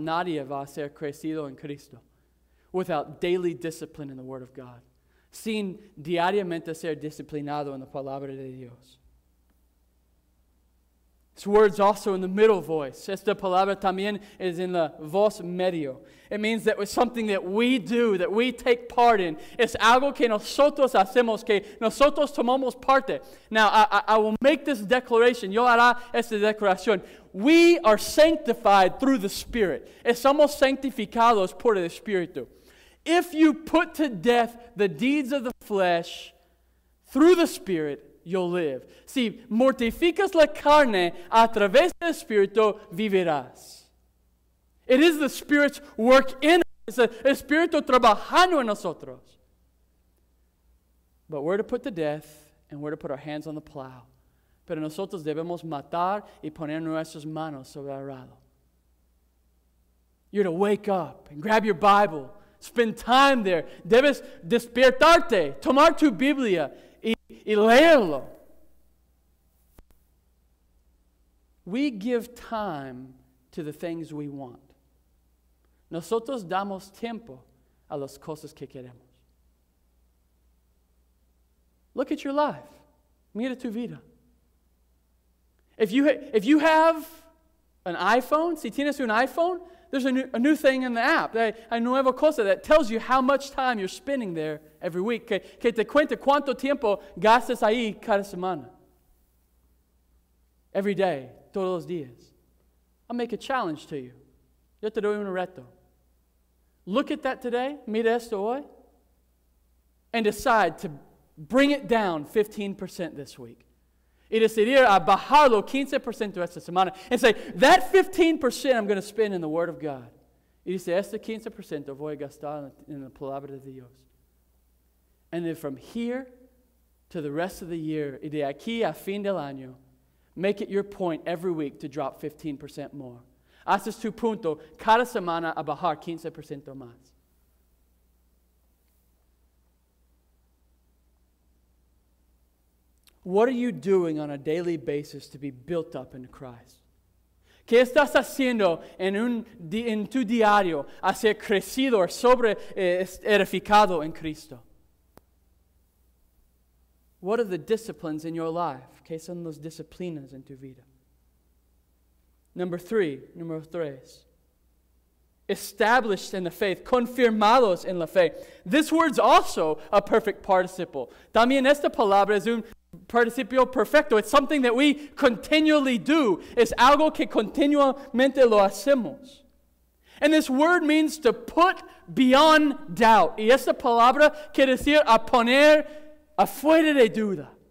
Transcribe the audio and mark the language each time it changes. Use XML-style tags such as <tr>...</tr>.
<es>Nadie va a ser crecido en Cristo</es> <en>without daily discipline in the Word of God.</en> <es>Sin diariamente ser disciplinado en la Palabra de Dios.</es> <en>This word's also in the middle voice.</en> <es>Esta palabra también</es> <en>is in</en> <es>la voz medio.</es> <en>It means that it's something that we do, that we take part in.</en> <es>Es algo que nosotros hacemos, que nosotros tomamos parte.</es> <en>Now, I will make this declaration.</en> <es>Yo hará esta declaración.</es> <en>We are sanctified through the Spirit.</en> <es>Estamos sanctificados por el Espíritu.</es> <en>If you put to death the deeds of the flesh through the Spirit, you'll live.</en> <es>Si mortificas la carne a través del Espíritu, vivirás.</es> <en>It is the Spirit's work in us. It's the</en> <es>Espíritu trabajando en nosotros.</es> <en>But we're to put to death and we're to put our hands on the plow.</en> <es>Pero nosotros debemos matar y poner nuestras manos sobre el arado.</es> <en>You're to wake up and grab your Bible. Spend time there.</en> <es>Debes despertarte. Tomar tu Biblia. Y leerlo.</es> <en>We give time to the things we want.</en> <es>Nosotros damos tiempo a las cosas que queremos.</es> <en>Look at your life.</en> <es>Mira tu vida.</es> <en>If you have an iPhone,</en> <es>si tienes un iPhone,</es> <en>there's a new thing in the app,</en> <es>a nueva cosa</es> <en>that tells you how much time you're spending there every week.</en> <es>Que te cuenta cuánto tiempo gastas ahí cada semana.</es> <en>Every day,</en> <es>todos los días.</es> <en>I'll make a challenge to you.</en> <es>Yo te doy un reto.</es> <en>Look at that today,</en> <es>mira esto hoy,</es> <en>and decide to bring it down 15% this week.</en> <es>Y decidir a bajarlo 15% esta semana.</es> <en>And say, that 15% I'm going to spend in the Word of God.</en> <es>Y dice, este 15% voy a gastar en la Palabra de Dios.</es> <en>And then from here to the rest of the year,</en> <es>y de aquí a fin del año,</es> <en>make it your point every week to drop 15% more.</en> <es>Haces tu punto cada semana a bajar 15% más.</es> <en>What are you doing on a daily basis to be built up in Christ?</en> <es>¿Qué estás haciendo en tu diario a ser crecido o sobre edificado en Cristo?</es> <en>What are the disciplines in your life?</en> <es>¿Qué son las disciplinas en tu vida? Número tres.</es> <en>Established in the faith,</en> <es>confirmados en la fe.</es> <en>This word's also a perfect participle.</en> <es>También esta palabra es un participio perfecto.</es> <en>It's something that we continually do.</en> <es>Es algo que continuamente lo hacemos.</es> <en>And this word means to put beyond doubt.</en> <es>Y esta palabra quiere decir a poner afuera de duda.</es>